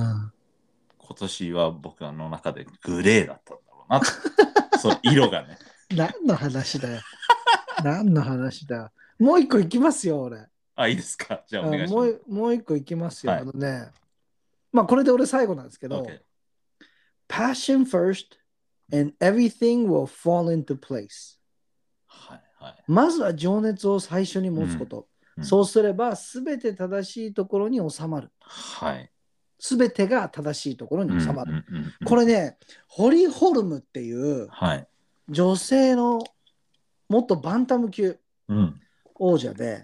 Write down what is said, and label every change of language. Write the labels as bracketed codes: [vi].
[ja] 今年は僕の中でグレーだったんだろうな。そう、色がね。何の話だよ。何の話だよ。もう一個いきますよ、俺。あ、いいですか。じゃあお願いします。もう一個いきますよ。はい、あのね、まあ、これで俺最後なんですけど、 [en] okay. Passion first and everything will fall into place. [ja] はいはい。まずは情熱を最初に持つこと。うんうん、そうすれば、すべて正しいところに収まる。はい。全てが正しいところに収まる、うんうんうんうん、これね、ホリーホルムっていう、はい、女性の元バンタム級王者で、